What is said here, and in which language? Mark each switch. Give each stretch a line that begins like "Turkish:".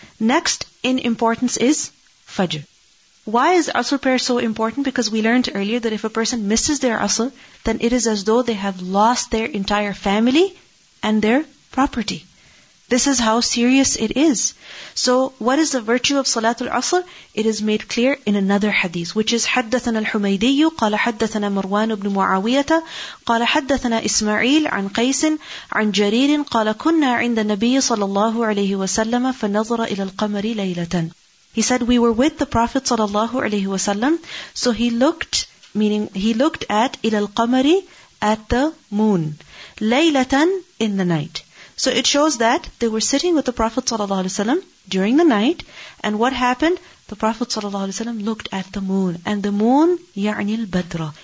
English: Next in importance is Fajr. Why is Asr prayer so important? Because we learned earlier that if a person misses their Asr, then it is as though they have lost their entire family and their property. This is how serious it is. So what is the virtue of Salatul Asr? It is made clear in another hadith, which is
Arabic: حدثنا الحميدي قال حدثنا مروان بن معاوية قال حدثنا إسماعيل عن قيس عن جرير قال كنا عند النبي صلى الله عليه وسلم فنظر إلى القمر ليلة.
English: He said, we were with the Prophet صلى الله عليه وسلم. So he looked, meaning he looked at
Arabic: إلى القمر,
English: at the moon. ليلة, in the night. So it shows that they were sitting with the Prophet ﷺ during the night. And what happened? The Prophet ﷺ looked at the moon. And the moon,
Arabic: يعني البدرة.